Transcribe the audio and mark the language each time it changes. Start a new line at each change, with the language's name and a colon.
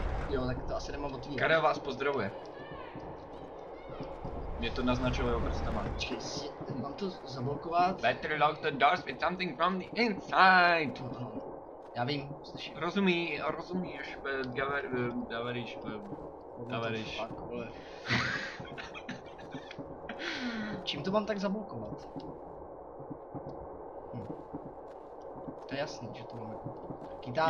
Czech: Jo, tak to asi nemám otvírat. Karel vás pozdravuje. Mě to naznačilo jeho prstama. Počkej, si, mám to zablokovat?
English: Better lock the doors with something from the inside!
Czech: Já vím, slyším. Rozumíš, gaveriš, gaveriš. Čím to mám tak zablokovat? To je jasný, že to máme. Kytár,